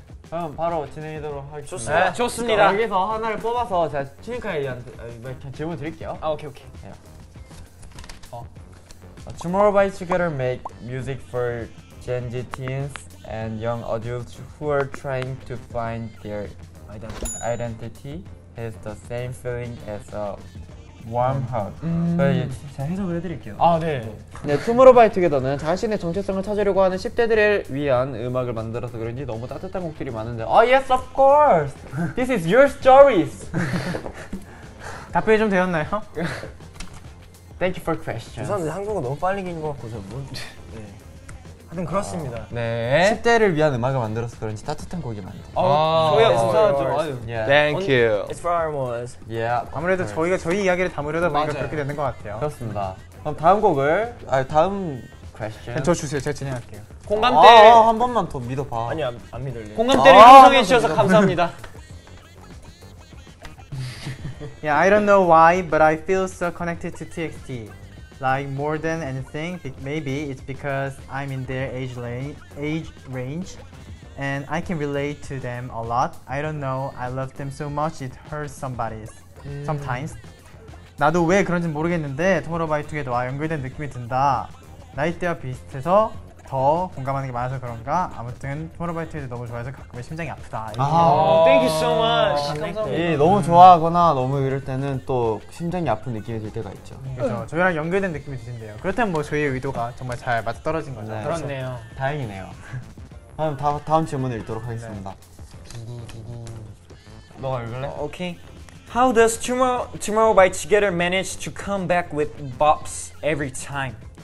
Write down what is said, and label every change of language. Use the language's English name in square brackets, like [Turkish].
[Korean] 그럼 바로 진행하도록 하겠습니다. 좋습니다. 네, 좋습니다. 여기서 하나를 뽑아서 제가 튜닝카에 대한 질문 드릴게요. 아, 오케이, 오케이. 네. [English] Tomorrow by Together make music for Gen Z teens and young adults who are trying to find their identity. It's the same feeling as a warm hug. [Korean] 제가 해석을 해드릴게요. 아, 네. 네, Tomorrow by Together는 자신의 정체성을 찾으려고 하는 10대들을 위한 음악을 만들어서 그런지 너무 따뜻한 곡들이 많은데. [English] 아, yes, of course. This is your stories. [Korean] 답변이 좀 되었나요? [English] Thank you for question. [Korean] 우선 한국어 너무 빨리 읽는 것 같고 전부. 네. 하여튼 그렇습니다. 네. 10대를 위한 음악을 만들어서 그런지 따뜻한 곡이 많대요. 감사합니다. [English] Thank you. It's for our moments. Yeah. [Korean] 아무래도 저희가 저희 이야기를 담으려다 보니까 맞아요. 그렇게 되는 것 같아요. 그렇습니다. 그럼 다음 곡을, 아니 다음 question. 저 주세요. 제가 진행할게요. 공감대. 아, 한 번만 더 믿어봐. 아니 안 믿을래요. 공감대를 형성해 주셔서 감사합니다. [English] Yeah, I don't know why, but I feel so connected to TXT. Like more than anything, maybe it's because I'm in their age range and I can relate to them a lot. I don't know, I love them so much it hurts somebody sometimes. [Korean] 나도 왜 그런지 모르겠는데 Tomorrow by Together와 연결된 느낌이 든다. 나이대와 비슷해서 더 공감하는 게 많아서 그런가? 아무튼 Tomorrow by Together 너무 좋아해서 가끔 심장이 아프다. 아, [English] thank you so much. [Korean] 감사합니다. 예, 너무 좋아하거나 너무 이럴 때는 또 심장이 아픈 느낌이 들 때가 있죠. 그렇죠. 저희랑 연결된 느낌이 드신대요. 그렇다면 뭐 저희의 의도가 정말 잘 맞아 떨어진 거죠. 네, 그렇네요. 다행이네요. 그럼 다음 질문을 읽도록 하겠습니다. 누구 너가 읽을래? 오케이. [English] How does Tomorrow by Together manage to come back with bops every time?